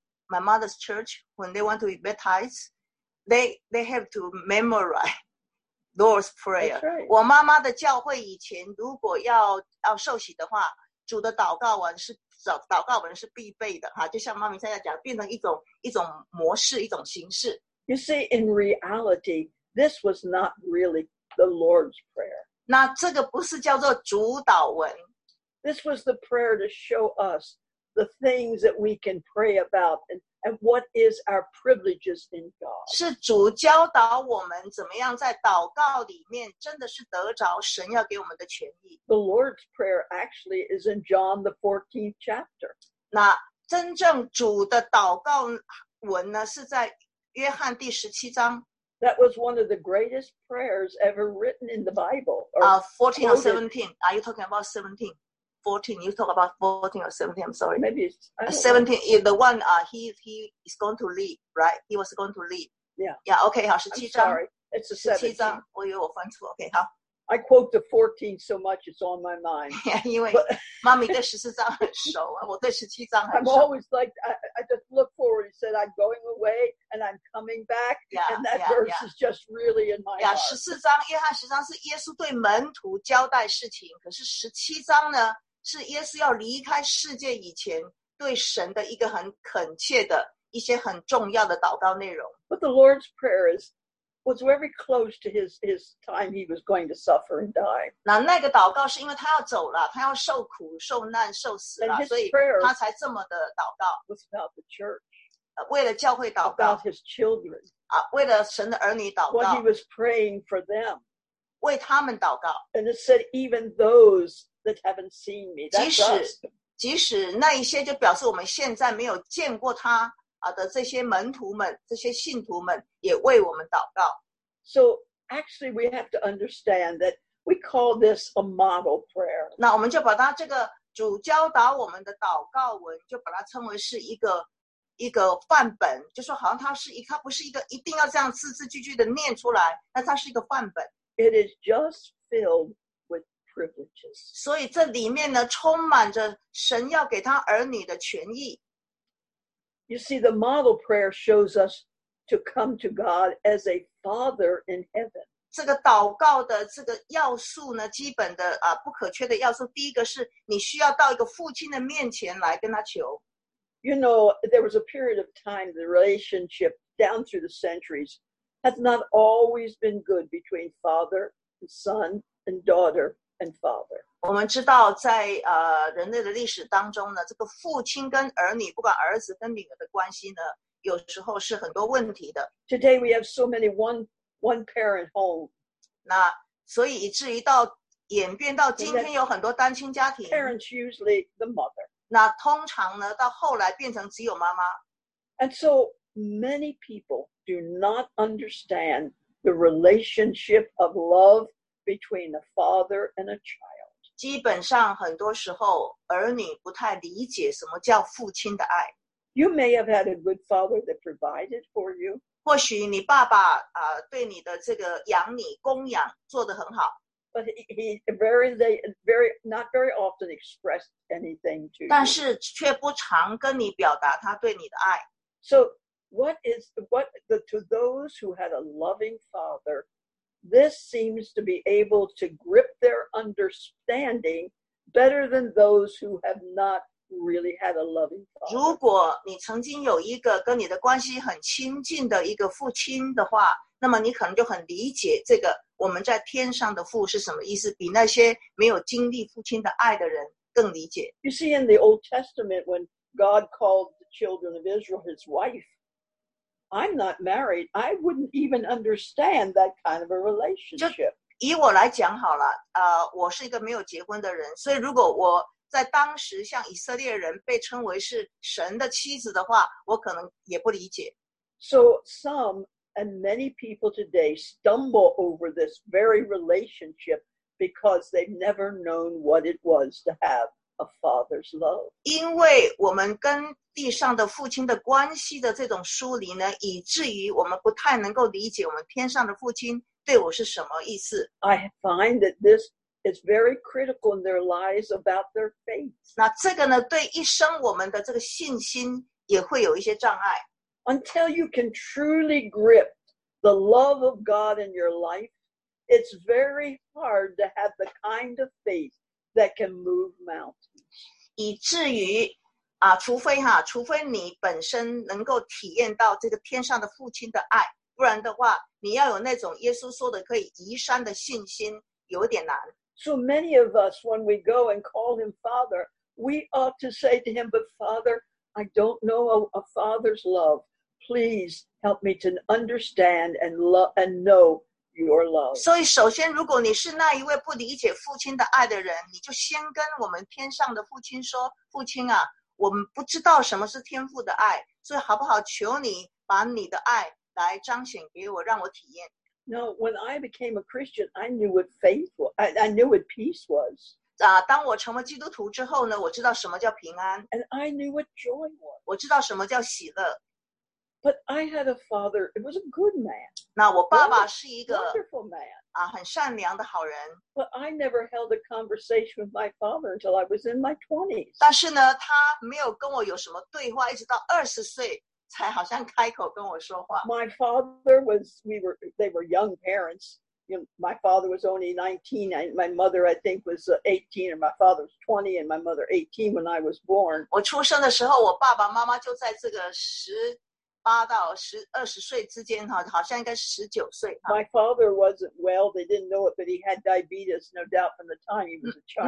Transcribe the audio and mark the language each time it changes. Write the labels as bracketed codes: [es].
[en] My mother's church, when they want to be baptized,They have to memorize Lord's Prayer. That's right. [zh] 我妈妈的教会以前如果要受洗的话，主的祷告文是必备的哈，就像妈咪现在讲，变成一种模式，一种形式。 [en] You see, in reality, this was not really the Lord's Prayer. [zh] 那这个不是叫做主祷文。 [en] This was the prayer to show us the things that we can pray about and what is our privileges in God. [zh] 是主教导我们怎么样在祷告里面真的是得着神要给我们的权益。 [en] The Lord's Prayer actually is in John the 14th chapter. [zh] 那真正主的祷告文呢是在约翰第十七章。 [en] That was one of the greatest prayers ever written in the Bible. 14 or 17? Are you talking about 17? 14, you talk about 14 or 17, I'm sorry. Maybe it's 17, yeah, the one he is going to leave, right? He was going to leave. Yeah. [zh] Yeah, okay, 好，十七章。 [en] I'm sorry, it's a 17. [zh] 十七章，我以为我翻错。Okay, 好。 [en] I quote the 14 so much, it's on my mind. [zh] Yeah, 因为妈咪对十四章很熟，我对十七章很熟。 [en] I'm always like, I just look forward and said, I'm going away and I'm coming back. Yeah, and that verse is just really in my heart. [zh] 十四章，约翰十章是耶稣对门徒交代事情，可是十七章呢？是耶稣要离开世界以前对神的一个很恳切的一些很重要的祷告内容。 [en] But the Lord's prayer was very close to his time he was going to suffer and die. [zh] 那个祷告是因为他要走了，他要受苦、受难、受死了，所以他才这么的祷告。 [en] Was about the church. [zh] 为了教会祷告。 [en] About his children. [zh] 为了神的儿女祷告。 [en] What he was praying for them. [zh] 为他们祷告。 [en] And it said even those. That haven't seen me. That's [zh] 即使那一些就表示我们现在没有见过他的这些门徒们，这些信徒们也为我们祷告。 [en] So actually, we have to understand that we call this a model prayer. [zh] 那我们就把它这个主教导我们的祷告文，就把它称为是一个范本，就说好像它不是一个一定要这样字字句句的念出来，那它是一个范本。 [en] It is just filled. [zh] 所以这里面呢，充满着神要给他儿女的权益。 [en] You see, the model prayer shows us to come to God as a father in heaven. [zh] 这个祷告的这个要素呢，基本的不可缺的要素，第一个是你需要到一个父亲的面前来跟他求。 [en] You know, there was a period of time the relationship down through the centuries has not always been good between father and son and daughter. And father. [zh] 我们知道在人类的历史当中呢，这个父亲跟儿女，不管儿子跟女儿的关系呢，有时候是很多问题的。 [en] Today we have so many one parent home. [zh] 那所以以至于到演变到今天有很多单亲家庭。 [en] Parents usually the mother. [zh] 那通常呢，到后来变成只有妈妈。 [en] And so many people do not understand the relationship of love. Between a father and a child. [zh] 基本上很多时候儿女不太理解什么叫父亲的爱。 [en] You may have had a good father that provided for you. [zh] 或许你爸爸对你的这个养你供养做得很好。 [en] But he not very often expressed anything to you. [zh] 但是却不常跟你表达他对你的爱。 [en] So to those who had a loving father, this seems to be able to grip their understanding better than those who have not really had a loving father. [zh] 如果你曾经有一个跟你的关系很亲近的一个父亲的话，那么你可能就很理解这个我们在天上的父是什么意思，比那些没有经历父亲的爱的人更理解。 [en] You see, in the Old Testament, when God called the children of Israel his wife, I'm not married. I wouldn't even understand that kind of a relationship. [zh] 就以我来讲好了，我是一个没有结婚的人，所以如果我在当时像以色列人被称为是神的妻子的话，我可能也不理解。 [en] So some and many people today stumble over this very relationship because they've never known what it was to have a father's love. [zh] 因为我们跟地上的父亲的关系的这种疏离呢，以至于我们不太能够理解我们天上的父亲对我是什么意思。 [en] I find that this. It's very critical in their lives about their faith. [zh] 那这个呢，对一生我们的这个信心也会有一些障碍。 [en] Until you can truly grip the love of God in your life, it's very hard to have the kind of faith that can move mountains. [zh] 以至于啊，除非你本身能够体验到这个天上的父亲的爱，不然的话，你要有那种耶稣说的可以移山的信心，有点难。 [en] So many of us, when we go and call him Father, we ought to say to him, but Father, I don't know a father's love. Please help me to understand and know your love. [zh] 所以首先如果你是那一位不理解父亲的爱的人，你就先跟我们天上的父亲说，父亲啊，我们不知道什么是天父的爱，所以好不好求你把你的爱来彰显给我，让我体验。 [en] No, when I became a Christian, I knew what faith was. I knew what peace was. [zh] 啊，当我成为基督徒之后呢，我知道什么叫平安。 [en] And I knew what joy was. [zh] 我知道什么叫喜乐。 [en] But I had a father. It was a good man. [zh] 那我爸爸是一个 [en] wonderful man. [zh] 啊，很善良的好人。 [en] But I never held a conversation with my father until I was in my 20s. [zh] 但是呢，他没有跟我有什么对话，一直到20岁。才好像开口跟我说话。 [en] My father was, they were young parents. You know, my father was only 19, and my mother, I think, was 18, and my father was 20, and my mother 18 when I was born. [zh] 我出生的时候，我爸爸妈妈就在这个18到20岁之间，好像应该是19岁。 [en] My father wasn't well, they didn't know it, but he had diabetes, no doubt, from the time he was a child.